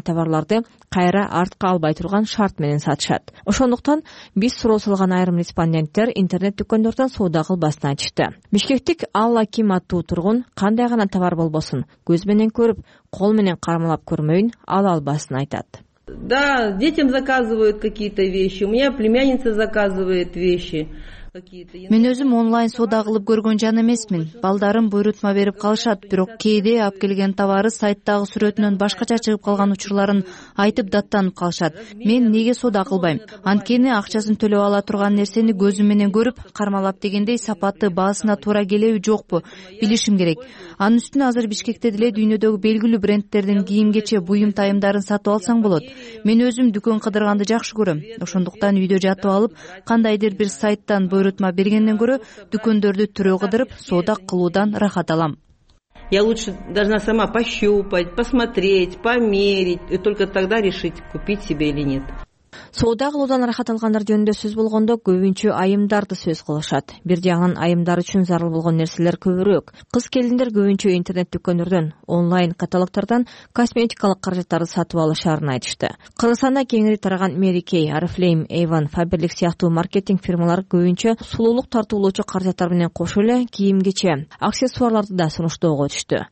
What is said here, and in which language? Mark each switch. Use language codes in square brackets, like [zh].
[ky] берген товарларды кайра артка албай турган шарт менен сатышат. Ошондуктан биз суроо салган айрым респонденттер интернет дүкөндөрдөн соода кылбасына чыкты. Бишкектик Алла Ким аттуу тургун кандай гана товар болбосун, көз менен көрүп, кол менен кармалап көрмөйүн ал албасын айтат. [ru] Да, детям заказывают какие-то вещи. У меня племянница заказывает вещи. [ky] Мен өзүм онлайн соода кылып көргөн жан эмесмин. Балдарым буйрутма берип калышат, бирок кээде алып келген товары сайттагы сүрөтүнөн башкача чыгып калган учурларын айтып даттанып калышат. Мен неге соода кылбайм? Анткени акчасын төлөп ала турган нерсени көзүм менен көрүп, кармалап дегендей сапаты баасына туура келеби жокпу билишим керек. Анын үстүнө азыр Бишкекте деле дүйнөдөгү белгилүү бренддердин кийим кече буюм тайымдарын сатып алсаң болот. Мен өзүм дүкөн кыдырганды жакшы көрөм. Ошондуктан үйдө жатып алып, кандайдыр бир сайттан буйрутма бергенден көрө дүкөндөрдү түрө кыдырып соода кылуудан рахат алам. [ru] Я лучше должна сама пощупать, посмотреть, померить и только тогда решить купить себе или нет. [ky] Соода кылуудан рахат алгандар жөнүндө сөз болгондо көбүнчө айымдарды сөз кылышат. Бир жагынан айымдар үчүн зарыл болгон нерселер көбүрөөк. Кыз келиндер көбүнчө интернет дүкөндөрдөн, онлайн каталогтордон косметикалык каражаттарды сатып алышарын айтышты. Кыргызстанда кеңири тараган Mary Kay, Oriflame, Avon, Faberlic сыяктуу маркетинг фирмалары көбүнчө сулуулук тартуулоочу каражаттар менен кошо эле кийим кече, аксессуарларды да сунуштоого түштү.